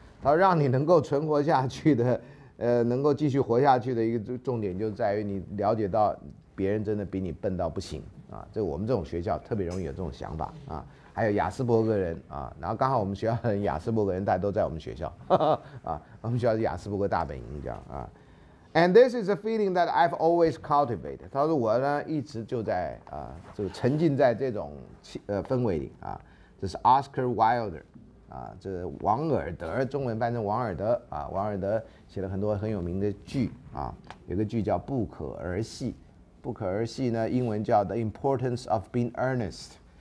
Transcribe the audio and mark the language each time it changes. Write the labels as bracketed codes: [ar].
[zh] 它让你能够存活下去的，能够继续活下去的一个重点就在于你了解到别人真的比你笨到不行啊！这我们这种学校特别容易有这种想法啊。还有亚斯伯格人啊，然后刚好我们学校人亚斯伯格人大家都在我们学校呵呵啊，我们学校是亚斯伯格大本营这样啊。 [en] And this is a feeling that I've always cultivated。 [zh] 他说我呢一直就在啊，就沉浸在这种氛围里啊。这是 Oscar Wilde 啊，这是王尔德，中文翻成王尔德啊。王尔德写了很多很有名的剧啊，有个剧叫《不可儿戏》，《不可儿戏》呢英文叫 The Importance of Being Earnest。